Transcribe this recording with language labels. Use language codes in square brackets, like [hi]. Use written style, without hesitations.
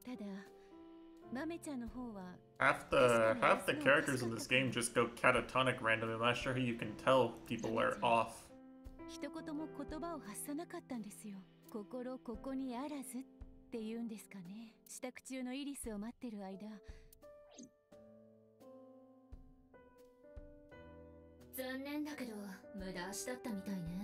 [ja] ただマメちゃんの方は、 [en] half the characters in this game just go catatonic randomly. I'm not sure how you can tell people are off. [ja] 一言も言葉を発さなかったんですよ。心ここにあらずって言うんですかね。支度中のイリスを待ってる間、残念だけど無駄足だったみたいね。